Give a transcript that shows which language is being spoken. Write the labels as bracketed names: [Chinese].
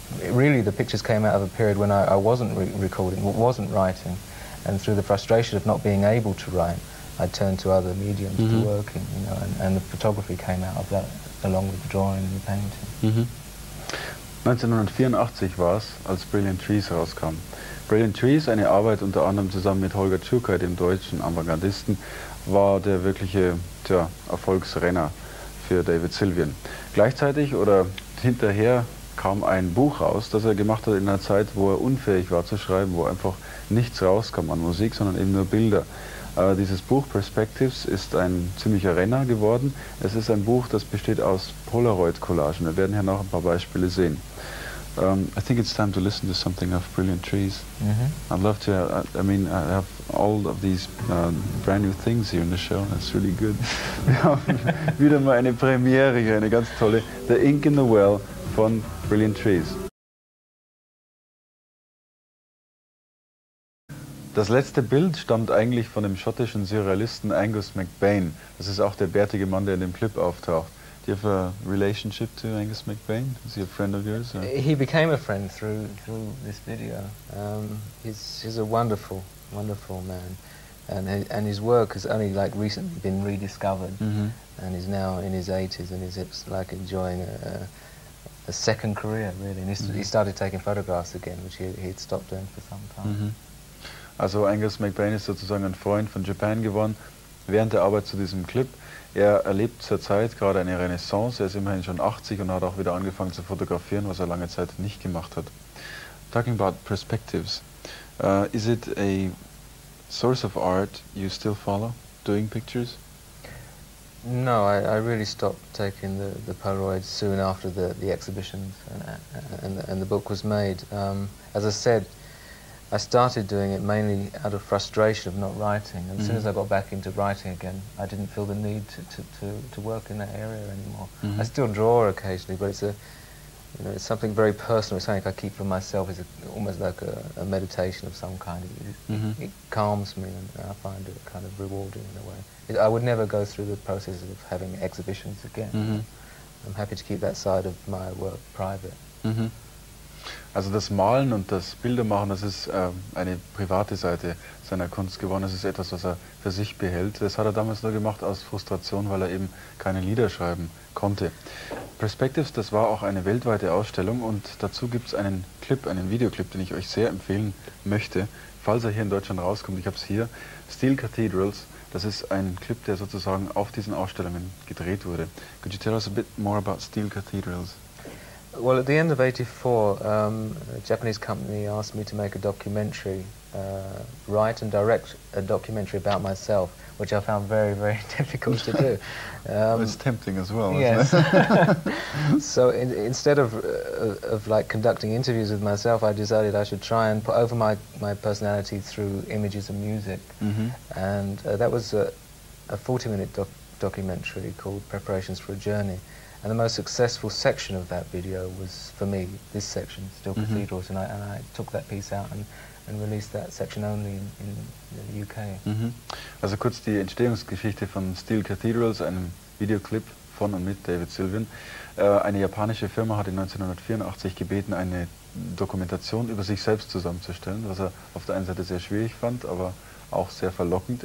[English] Really, the pictures came out of a period when I wasn't recording, wasn't writing. And through the frustration of not being able to write, I turned to other mediums to work in, you know, and the photography came out of that, along with the drawing and the painting. Mm-hmm. [German] 1984 war es, als Brilliant Trees rauskam. Brilliant Trees, eine Arbeit unter anderem zusammen mit Holger Tschukai, dem deutschen Avantgardisten, war der wirkliche Erfolgsrenner für David Sylvian. Gleichzeitig oder hinterher kam ein Buch raus, das er gemacht hat in einer Zeit, wo er unfähig war zu schreiben, wo einfach nichts rauskam an Musik, sondern eben nur Bilder. Dieses Buch Perspectives ist ein ziemlicher Renner geworden. Es ist ein Buch, das besteht aus Polaroid-Collagen. Wir werden hier noch ein paar Beispiele sehen. [English] I think it's time to listen to something of Brilliant Trees. Mm-hmm. I'd love to, I mean, I have all of these brand new things here in the show. That's really good. [German] Wir haben wieder mal eine Premiere hier, eine ganz tolle. The Ink in the Well von Brilliant Trees. Das letzte Bild stammt eigentlich von dem schottischen Surrealisten Angus McBain. Das ist auch der bärtige Mann, der in dem Clip auftaucht. [English] Do you have a relationship to Angus McBain? Is he a friend of yours? Or? He became a friend through this video. He's a wonderful, wonderful man. And his work has only like recently been rediscovered. Mm-hmm. And he's now in his 80s and he's like enjoying a second career, really. And he started taking photographs again, which he'd stopped doing for some time. Mm-hmm. [German] Also Angus McBain ist sozusagen ein Freund von Japan geworden während der Arbeit zu diesem Clip. Er erlebt zurzeit gerade eine Renaissance. Er ist immerhin schon 80 und hat auch wieder angefangen zu fotografieren, was er lange Zeit nicht gemacht hat. [English] Talking about perspectives, is it a source of art you still follow, doing pictures? No, I really stopped taking the Polaroids soon after the exhibitions and the book was made. As I said, I started doing it mainly out of frustration of not writing, and as soon as I got back into writing again, I didn't feel the need to work in that area anymore. Mm-hmm. I still draw occasionally, but it's something very personal. It's something I keep for myself. It's almost like a meditation of some kind. It calms me, and I find it kind of rewarding in a way. I would never go through the process of having exhibitions again. Mm-hmm. I'm happy to keep that side of my work private. Mm-hmm. [German] Also das Malen und das Bildermachen, das ist eine private Seite seiner Kunst geworden. Das ist etwas, was er für sich behält. Das hat er damals nur gemacht aus Frustration, weil er eben keine Lieder schreiben konnte. Perspectives, das war auch eine weltweite Ausstellung. Und dazu gibt es einen Clip, einen Videoclip, den ich euch sehr empfehlen möchte, falls er hier in Deutschland rauskommt. Ich habe es hier. Steel Cathedrals, das ist ein Clip, der sozusagen auf diesen Ausstellungen gedreht wurde. [English] Could you tell us a bit more about Steel Cathedrals? Well, at the end of 84, a Japanese company asked me to make a documentary, write and direct a documentary about myself, which I found very, very difficult to do. It's tempting as well, yes. Isn't it? So instead of like conducting interviews with myself, I decided I should try and put over my personality through images and music. Mm-hmm. And that was a 40-minute documentary called Preparations for a Journey. And the most successful section of that video was, for me, this section, Steel Cathedrals, mm-hmm. and I took that piece out and released that section only in the UK. Mm-hmm. [German] Also kurz die Entstehungsgeschichte von Steel Cathedrals, einem Videoclip von und mit David Sylvian. Eine japanische Firma hat in 1984 gebeten, eine Dokumentation über sich selbst zusammenzustellen, was er auf der einen Seite sehr schwierig fand, aber auch sehr verlockend.